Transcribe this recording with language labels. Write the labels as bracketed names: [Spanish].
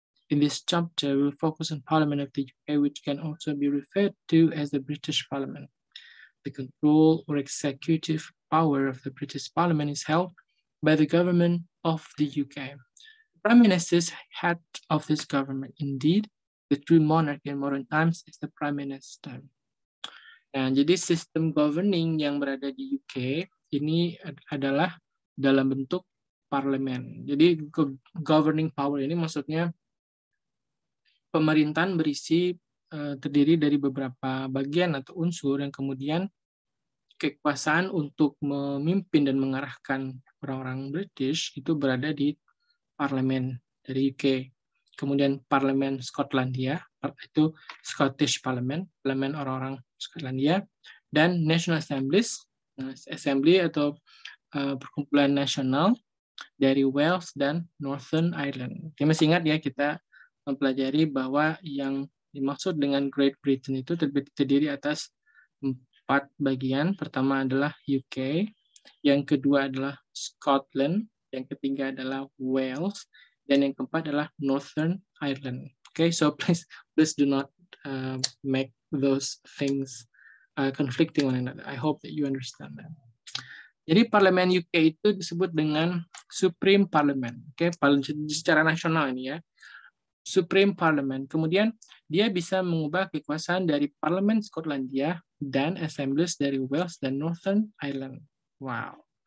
[English] In this chapter, we'll focus on Parliament of the UK, which can also be referred to as the British Parliament. The control or executive power of the British Parliament is held by the government of the UK. The Prime Minister is head of this government. Indeed, the true monarch in modern times is the Prime Minister. [Indonesian] Nah, jadi sistem governing yang berada di UK ini adalah dalam bentuk parlemen. Jadi governing power ini maksudnya pemerintahan berisi terdiri dari beberapa bagian atau unsur yang kemudian kekuasaan untuk memimpin dan mengarahkan orang-orang British itu berada di parlemen dari UK. Kemudian parlemen Skotlandia, itu Scottish Parliament, parlemen orang-orang Skotlandia, dan National Assemblies, assembly atau perkumpulan nasional dari Wales dan Northern Ireland. Kita masih ingat ya, kita mempelajari bahwa yang dimaksud dengan Great Britain itu terdiri atas empat bagian. Pertama adalah UK, yang kedua adalah Scotland, yang ketiga adalah Wales, dan yang keempat adalah Northern Ireland. [English] Okay, so please do not make those things conflicting one another. I hope that you understand that. [Indonesian] Jadi parlemen UK itu disebut dengan Supreme Parliament. Okay, secara nasional ini ya, Supreme Parliament. Kemudian dia bisa mengubah kekuasaan dari parlemen Skotlandia dan assemblies dari Wales dan Northern Ireland. Wow.